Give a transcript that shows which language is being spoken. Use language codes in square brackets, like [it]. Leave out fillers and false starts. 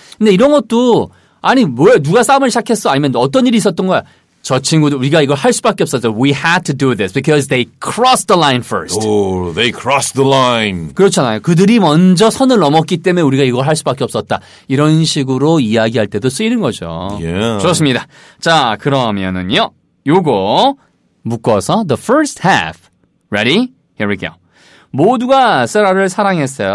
[ko] 근데 이런 것도 아니 뭐야 누가 싸움을 시작했어 아니면 어떤 일이 있었던 거야 저 친구들 우리가 이걸 할 수밖에 없었죠. [en] We had to do this because they crossed the line first. Oh, they crossed the line. [ko] 그렇잖아요. 그들이 먼저 선을 넘었기 때문에 우리가 이걸 할 수밖에 없었다. 이런 식으로 이야기할 때도 쓰이는 거죠. [en] Yeah. [ko] 좋습니다. 자 그러면은요 요거 묶어서 [en] the first half. Ready? Here we go. [ko] 모두가 세라를 사랑했어요.